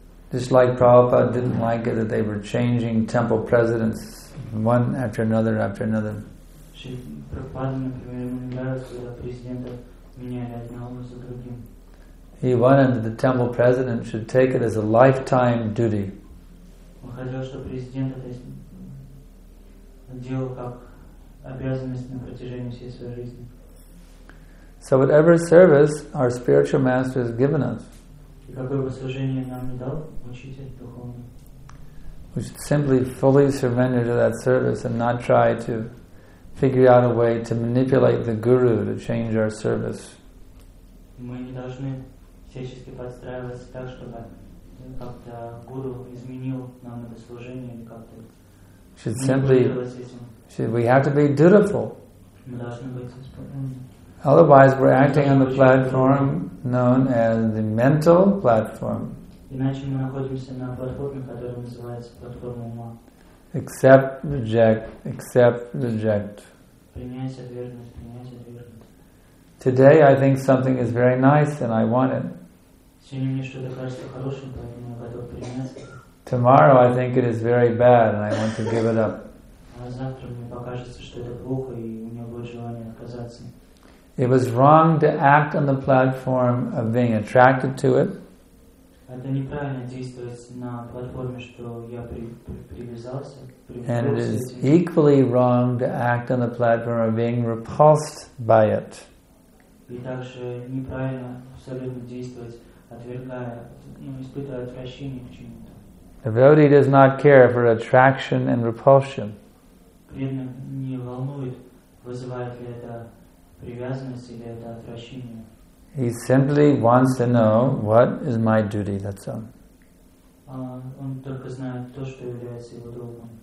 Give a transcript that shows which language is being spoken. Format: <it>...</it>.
<en>Just like Prabhupada didn't like it that they were changing temple presidents one after another after another. He wanted that the temple president should take it as a lifetime duty.</en> <ru>Он хотел, чтобы президент это делал как обязанность на протяжении всей своей жизни.</ru> <en>So whatever service our spiritual master has given us,</en> <ru>и какое бы служение нам не дал учитель духовный,</ru> <en>we should simply fully surrender to that service and not try to figure out a way to manipulate the guru to change our service.</en> <ru>Мы не должны всячески подстраиваться так, чтобы как-то гуру изменил нам это служение или как-то.</ru> <en>Should simply, should we have to be dutiful?</en> <ru>Мы должны быть исполнены.</ru> <en>Otherwise, we're acting on the platform known as the mental platform.</en> <ru>Иначе мы находимся на платформе, которая называется платформа ума.</ru> <en>Accept, reject, accept, reject.</en> <ru>Принять, отвергнуть, принять, отвергнуть.</ru> <en>Today, I think something is very nice, and I want it.</en> <ru>Сегодня мне что-то кажется хорошим, поэтому я готов принять.</ru> <en>Tomorrow I think it is very bad and I want to give it up.</en> <ru>А завтра мне покажется, что это плохо, и у меня будет желание отказаться.</ru> <en>It was wrong to act on the platform of being attracted to it.</en> <ru>Это неправильно действовать на платформе, что я привязался.</ru> <en>And it is equally wrong to act on the platform of being repulsed by it.</en> <ru>И также неправильно абсолютно действовать, отвергая, ну, испытывая отвращение к чему-то.</ru> <en>Devotee does not care for attraction and repulsion. He simply wants to know what is my duty, that's all.</en>